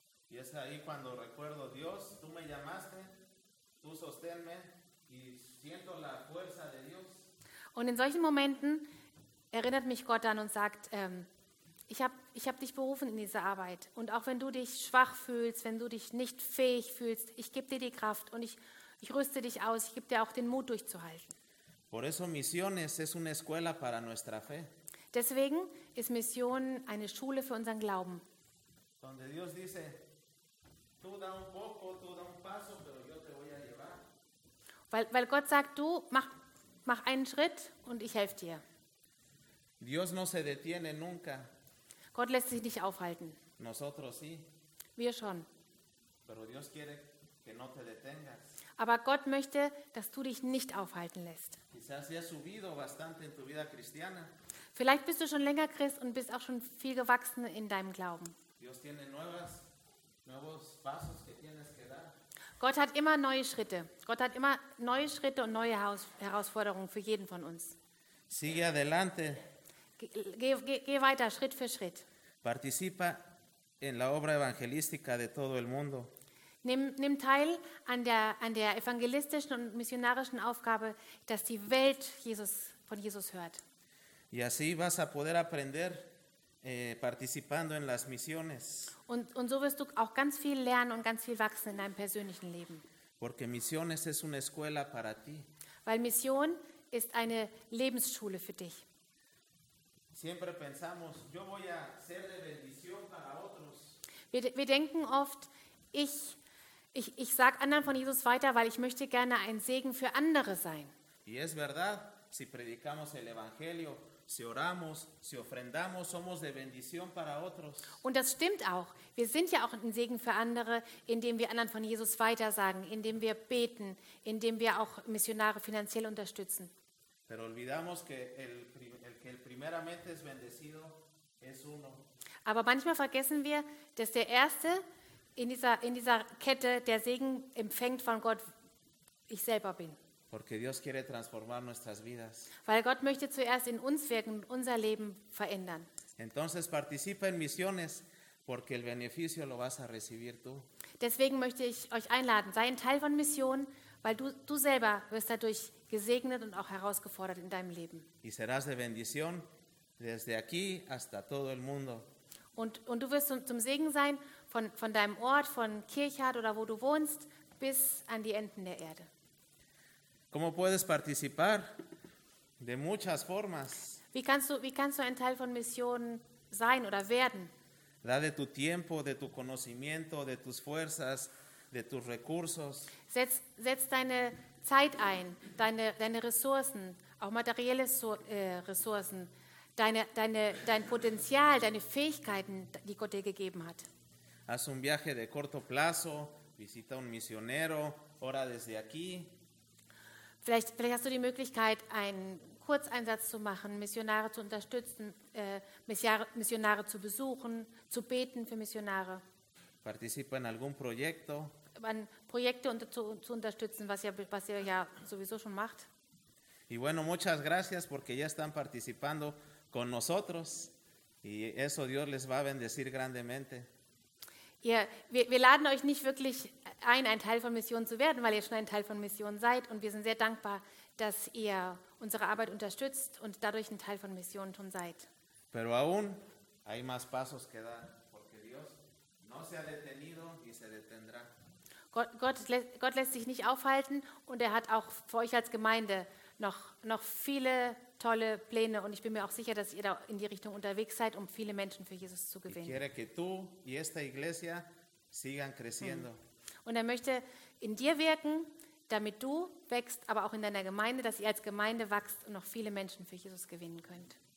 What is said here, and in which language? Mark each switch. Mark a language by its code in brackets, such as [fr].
[es] Y es ahí cuando recuerdo, Dios, tú me llamaste, tú sosténme, y siento la fuerza de Dios. [de] Und in solchen Momenten erinnert mich Gott an und sagt, ich hab dich berufen in diese Arbeit. Und auch wenn du dich schwach fühlst, wenn du dich nicht fähig fühlst, ich gebe dir die Kraft und ich rüste dich aus, ich gebe dir auch den Mut durchzuhalten. [es] Por eso misiones es una escuela para nuestra fe. [de] Deswegen ist Mission eine Schule für unseren Glauben. [es] Donde Dios dice, tú da un poco, tú da un paso, pero yo te voy a llevar. [de] Weil Gott sagt, du mach einen Schritt und ich helfe dir. [es] Dios no se detiene nunca. [de] Gott lässt sich nicht aufhalten. [es] Nosotros sí. [de] Wir schon. [es] Pero Dios quiere que no te detengas. [de] Aber Gott möchte, dass du dich nicht aufhalten lässt. [es] Quizás ya has subido bastante en tu vida cristiana. [de] Vielleicht bist du schon länger Christ und bist auch schon viel gewachsen in deinem Glauben. [es] Dios tiene nuevos pasos que tienes que dar. [de] Gott hat immer neue Schritte. Gott hat immer neue Schritte und neue Herausforderungen für jeden von uns. [es] Sigue adelante. [de] Geh weiter, Schritt für Schritt. [es] Participa en la obra evangelística de todo el mundo. [de] Nimm teil an der evangelistischen und missionarischen Aufgabe, dass die Welt von Jesus hört. [es] Y así vas a poder aprender participando en las misiones. [de] Und so wirst du auch ganz viel lernen und ganz viel wachsen in deinem persönlichen Leben. [es] Porque misiones es una escuela para ti. [de] Weil Mission ist eine Lebensschule für dich. [es] Siempre pensamos, yo voy a ser de bendición para otros. [de] Wir denken oft, ich sage anderen von Jesus weiter, weil ich möchte gerne ein Segen für andere sein. [es] Y es verdad, si predicamos el evangelio, si oramos, si ofrendamos, somos de bendición para otros. [de] Und das stimmt auch. Wir sind ja auch ein Segen für andere, indem wir anderen von Jesus weitersagen, indem wir beten, indem wir auch Missionare finanziell unterstützen. [es] Pero olvidamos que el primeramente es bendecido es uno. [de] Aber manchmal vergessen wir, dass der Erste in dieser Kette der Segen empfängt von Gott, ich selber bin. [es] Porque Dios quiere transformar nuestras vidas. [de] Weil Gott möchte zuerst in uns wirken, unser Leben verändern. [es] Entonces participa en misiones, porque el beneficio lo vas a recibir tú. [de] Deswegen möchte ich euch einladen, sei ein Teil von Mission, weil du selber wirst dadurch gesegnet und auch herausgefordert in deinem Leben. [es] Y serás de bendición desde aquí hasta todo el mundo. [de] Und du wirst zum Segen sein von deinem Ort, von Kirchhardt oder wo du wohnst, bis an die Enden der Erde. [es] ¿Cómo puedes participar? De muchas formas. [de] Wie kannst du ein Teil von Mission sein oder werden? [es] Da de tu tiempo, de tu conocimiento, de tus fuerzas, de tus recursos. [de] Setz deine Zeit ein, deine Ressourcen, auch materielle Ressourcen, dein Potenzial, deine Fähigkeiten, die Gott dir gegeben hat. [es] Haz un viaje de corto plazo, visita un misionero, ora desde aquí. [de] Vielleicht hast du die Möglichkeit, einen Kurzeinsatz zu machen, Missionare zu unterstützen, Missionare zu besuchen, zu beten für Missionare. [es] Participa en algún proyecto. [de] An Projekte zu unterstützen, was ihr ja sowieso schon macht. [es] Y bueno, muchas gracias porque ya están participando con nosotros y eso Dios les va a bendecir grandemente. [de] Ja, wir laden euch nicht wirklich ein Teil von Mission zu werden, weil ihr schon ein Teil von Mission seid und wir sind sehr dankbar, dass ihr unsere Arbeit unterstützt und dadurch ein Teil von Mission schon seid. [es] Pero aún hay más pasos que dar, porque Dios no se ha detenido y se detendrá. [de] Gott lässt sich nicht aufhalten und er hat auch für euch als Gemeinde noch viele tolle Pläne und ich bin mir auch sicher, dass ihr da in die Richtung unterwegs seid, um viele Menschen für Jesus zu gewinnen. [es] Quiere que tú y esta iglesia sigan creciendo. [de] Und er möchte in dir wirken, damit du wächst, aber auch in deiner Gemeinde, dass ihr als Gemeinde wächst und noch viele Menschen für Jesus gewinnen könnt.